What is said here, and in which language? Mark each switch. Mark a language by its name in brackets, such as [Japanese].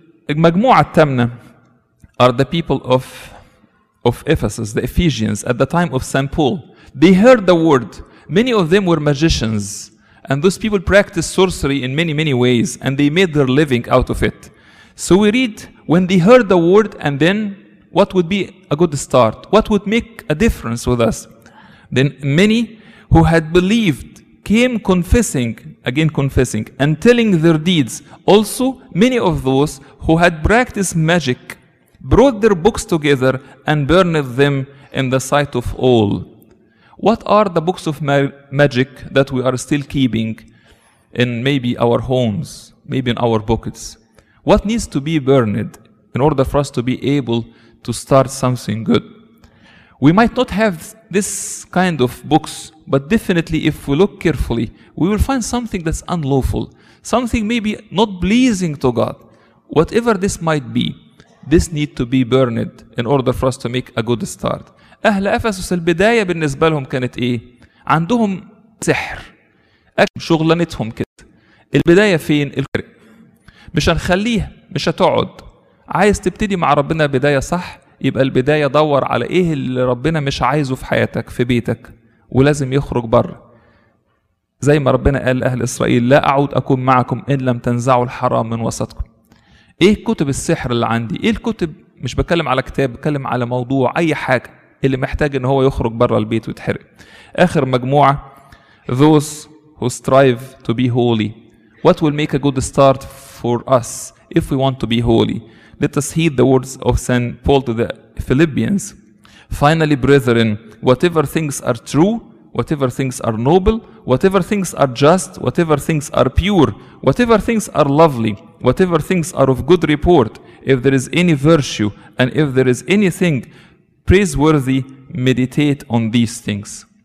[Arabic] المجموعه الثامنه [English] are the people of Ephesus the Ephesians at the time of Saint Paul they heard the word many of them were magicians and those people practiced sorcery in many many ways and they made their living out of it so we read when they heard the word and then what would be a good start? What would make a difference with us? Then many who had believed came confessing, again confessing, and telling their deeds. Also, many of those who had practiced magic brought their books together and burned them in the sight of all. What are the books of magic that we are still keeping in maybe our homes, maybe in our pockets? What needs to be burned in order for us to be able to start something good? We might not have this kind of books, but definitely if we look carefully, we will find something that's unlawful, something maybe not pleasing to God. Whatever this might be, this need to be burned in order for us to make a good start. [Arabic] أهل أفسس البداية بالنسبة لهم كانت إيه؟ عندهم سحر. شغلانتهم كده. البداية فين؟ مش هنخليه مش هتقعد. عايز تبتدي مع ربنا بداية صح؟ يبقى البداية دور على إيه اللي ربنا مش عايزه في حياتك في بيتك ولازم يخرج بر. زي ما ربنا قال لأهل إسرائيل لا أعود أكون معكم إن لم تنزعوا الحرام من وسطكم. إيه كتب السحر اللي عندي؟ إيه الكتب؟ مش بكلم على كتاب، بكلم على موضوع، أي حاجة اللي محتاج إن هو يخرج برا البيت ويتحرق. آخر مجموعة [English] those who strive to be holy. What will make a good start for us if we want to be holy? Let us heed the words of Saint Paul to the Philippians. Finally, brethren, whatever things are true, whatever things are noble, whatever things are just, whatever things are pure, whatever things are lovely, whatever things are of good report, if there is any virtue and if there is anything praiseworthy, meditate on these things.